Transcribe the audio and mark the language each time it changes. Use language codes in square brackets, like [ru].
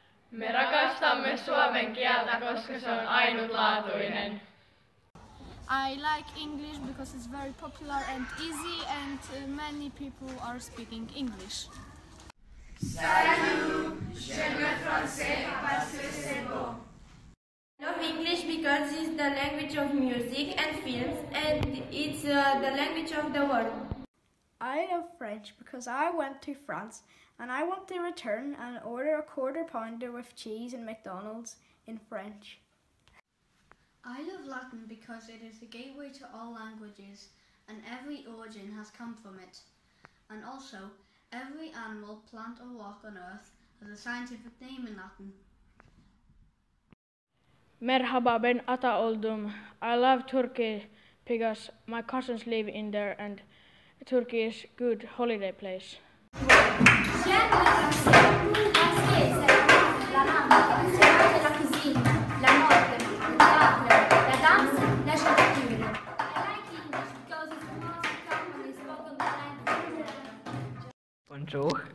[fi] Me rakastamme suomen kieltä, koska se on ainutlaatuinen. [en] I like English because it's very popular and easy and many people are speaking English. [fr] Salut, j'aime français parce que c'est beau. [en] I love English because it's the language of music and films and it's the language of the world. I love French because I went to France and I want to return and order a quarter pounder with cheese and McDonald's in French. I love Latin because it is the gateway to all languages and every origin has come from it. And also, every animal, plant or rock on earth has a scientific name in Latin. [tr] Merhaba ben ata oldum. [en] I love Turkey because my cousins live in there and Turkey is good holiday place. [fr] J'aime le français parce que c'est la langue, la langue de la cuisine, la mode, le théâtre, la danse, la chanson. Bonjour.